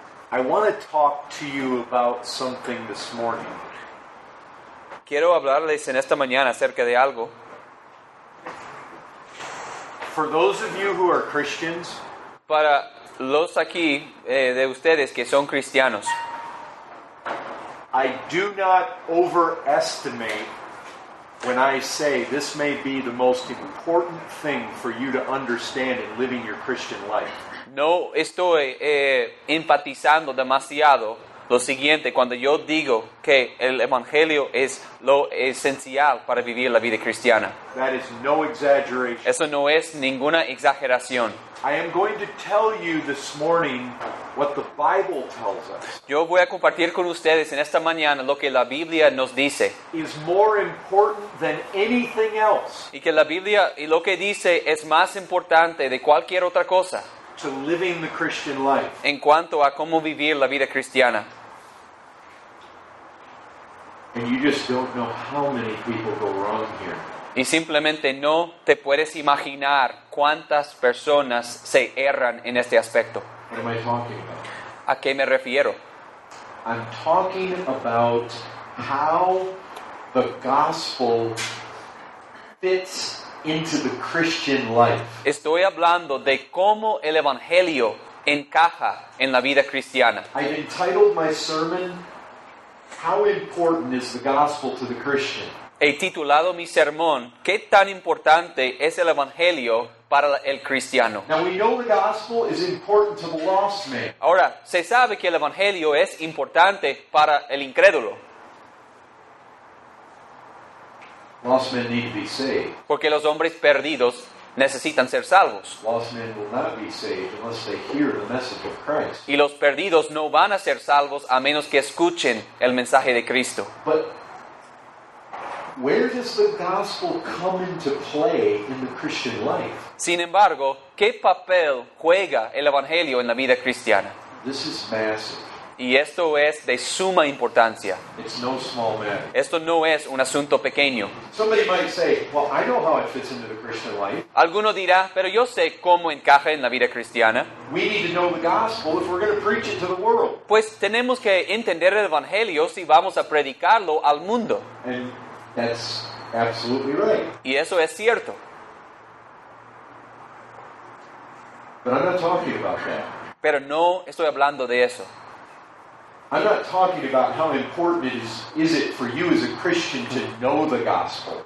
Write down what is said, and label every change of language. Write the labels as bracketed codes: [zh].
[en] I want to talk to you about something this morning. [es] Quiero hablarles en esta mañana acerca de algo. [en] For those of you who are Christians, [es] para los aquí de ustedes que son cristianos, [en] I do not overestimate when I say this may be the most important thing for you to understand in living your Christian life. [es] No estoy enfatizando demasiado lo siguiente cuando yo digo que el Evangelio es lo esencial para vivir la vida cristiana. [en] That is no exaggeration. [es] Eso no es ninguna exageración. [en] I am going to tell you this morning what the Bible tells us. [es] Yo voy a compartir con ustedes en esta mañana lo que la Biblia nos dice. [en] Is more important than anything else. [es] Y que la Biblia y lo que dice es más importante de cualquier otra cosa. [en] To living the Christian life. [es] En cuanto a cómo vivir la vida cristiana. [en] And you just don't know how many people go wrong here. [es] Y simplemente no te puedes imaginar cuántas personas se erran en este aspecto. [en] What am I talking about? [es] ¿A qué me refiero? [en] I'm talking about how the gospel fits into the Christian life. [es] Estoy hablando de cómo el Evangelio encaja en la vida cristiana. [en] I've entitled my sermon, How Important is the Gospel to the Christian? [es] He titulado mi sermón, ¿Qué tan importante es el Evangelio para el cristiano? [en] Now we know the gospel is important to the lost man. [es] Ahora, se sabe que el Evangelio es importante para el incrédulo. [en] Lost men need to be saved. [es] Porque los hombres perdidos necesitan ser salvos. [en] Lost men will not be saved unless they hear the message of Christ. [es] Y los perdidos no van a ser salvos a menos que escuchen el mensaje de Cristo. [en] But where does the gospel come into play in the Christian life? [es] Sin embargo, ¿qué papel juega el Evangelio en la vida cristiana? [en] This is massive. [es] Y esto es de suma importancia. [en] It's no small matter. [es] Esto no es un asunto pequeño. [en] Somebody might say, well, I know how it fits into the Christian life. [es] Alguno dirá, pero yo sé cómo encaja en la vida cristiana. [en] We need to know the gospel if we're going to preach it to the world. [es] Pues tenemos que entender el Evangelio si vamos a predicarlo al mundo. [en] And that's absolutely right. [es] Y eso es cierto. [en] But I'm not talking about that. [es] Pero no estoy hablando de eso. [en] I'm not talking about how important it is for you as a Christian to know the gospel.